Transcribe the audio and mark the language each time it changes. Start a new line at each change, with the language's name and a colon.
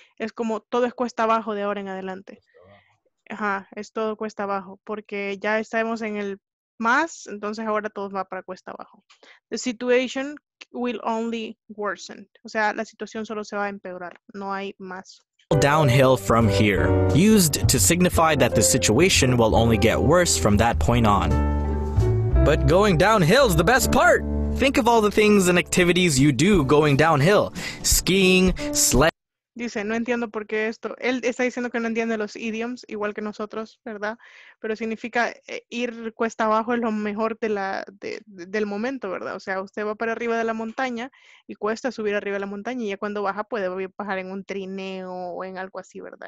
Spanish: Es como todo es cuesta abajo de ahora en adelante. Ajá, es todo cuesta abajo. Porque ya estamos en el más, entonces ahora todo va para cuesta abajo.
English: The situation will only worsen.
Spanish: O sea, la situación solo se va a empeorar. No hay más.
English: Downhill from here. Used to signify that the situation will only get worse from that point on. But going downhill is the best part! Think of all the things and activities you do going downhill. Skiing, sledding.
Spanish: Dice, no entiendo por qué esto. Él está diciendo que no entiende los idioms, igual que nosotros, ¿verdad? Pero significa ir cuesta abajo es lo mejor de la, del momento, ¿verdad? O sea, usted va para arriba de la montaña y cuesta subir arriba de la montaña y ya cuando baja puede bajar en un trineo o en algo así, ¿verdad?